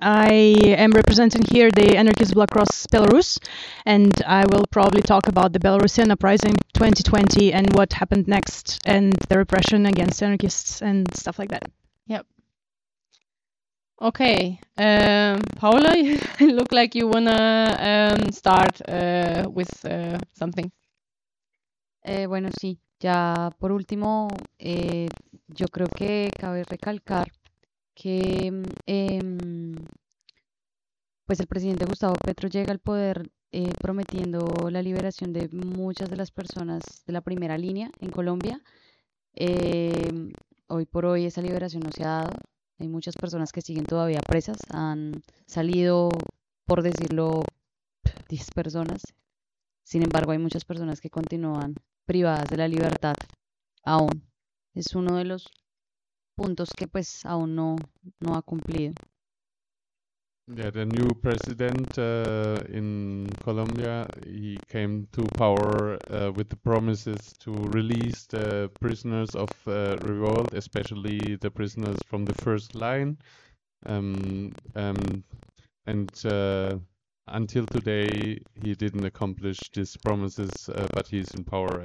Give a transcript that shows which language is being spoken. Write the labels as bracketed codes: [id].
[en] I am representing here the Anarchist Bloc Cross Belarus, and I will probably talk about the Belarusian uprising 2020 and what happened next and the repression against anarchists and stuff like that. Yep. Okay. Paula, you look like you wanna start with something. [es] Bueno, sí. Ya por último, yo creo que cabe recalcar que pues el presidente Gustavo Petro llega al poder prometiendo la liberación de muchas de las personas de la primera línea en Colombia. Hoy por hoy esa liberación no se ha dado. Hay muchas personas que siguen todavía presas. Han salido, por decirlo, 10 personas. Sin embargo, hay muchas personas que continúan privadas de la libertad aún. Es uno de los puntos que pues aún no ha cumplido. [en] Yeah, the new president in Colombia. He came to power with the promises to release the prisoners of revolt, especially the prisoners from the first line. Until today, he didn't accomplish these promises, but he's in power.